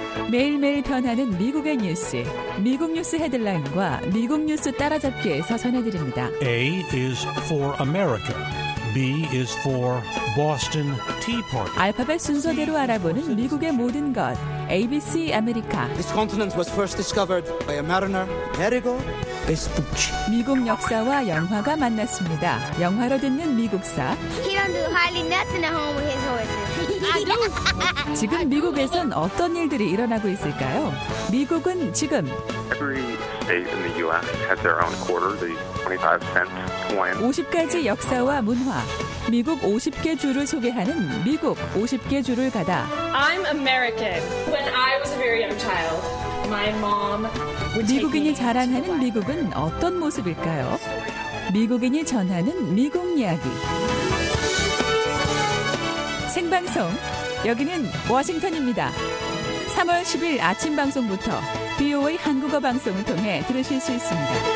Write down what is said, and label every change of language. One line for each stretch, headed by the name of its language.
Korean: 매일매일 변하는 미국의 뉴스, 미국 뉴스 헤드라인과 미국 뉴스 따라잡기에서 전해드립니다.
English: A is for America. B is for Boston Tea Party.
Korean: 알파벳 순서대로 알아보는 미국의 모든 것. ABC 아메리카.
English: This continent was first discovered by a mariner, Amerigo Vespucci.
Korean: 미국 역사와 영화가 만났습니다. 영화로 듣는 미국사.
English: He don't do hardly nothing at home with his horses.
Korean: 지금 미국에선 어떤 일들이 일어나고 있을까요? 미국은 지금
English: Every state in the U.S. has their own quarter, the 25-cent coin.
Korean: 50가지 역사와 문화. 미국 50개 주를 소개하는 미국 50개 주를 가다.
English: I'm American. When I was a very young child, my mom.
Korean: 미국인이 자랑하는 미국은 어떤 모습일까요? 미국인이 전하는 미국 이야기. 생방송 여기는 워싱턴입니다. 3월 10일 아침 방송부터 BOA 한국어 방송을 통해 들으실 수 있습니다.